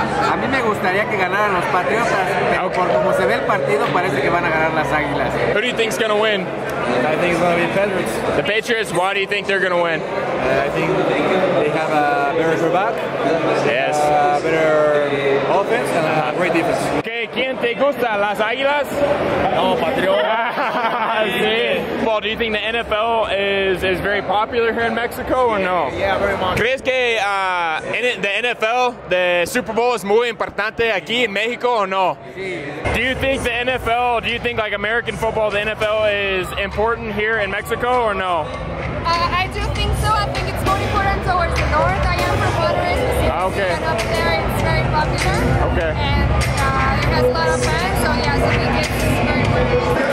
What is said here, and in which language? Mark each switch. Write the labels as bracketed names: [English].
[Spanish] A mí me gustaría que ganaran los Patriotas, pero por como se ve el partido, parece que van a ganar las Águilas. [English] Who do you think's gonna win? I think it's gonna be the Patriots. The Patriots, why do you think they're gonna win? I think they have a better quarterback, yes. A better offense, and a great defense. [Spanish] Okay, ¿quién te gusta? ¿Las Águilas? No, Patriotas. Sí. [English] Well, do you think the NFL is very popular here in Mexico or no? Yeah, very much. [Spanish] ¿Crees que [English] the NFL, the Super Bowl, is [Spanish] muy importante aquí en México [English] or no? [Spanish] Sí. [English] Do you think the NFL, do you think like American football, the NFL is important here in Mexico or no? I do think so. I think it's more important towards the north. I am from Monterrey. Okay. And up there, it's very popular. Okay. And it has a lot of fans, so yes, I think it's very important.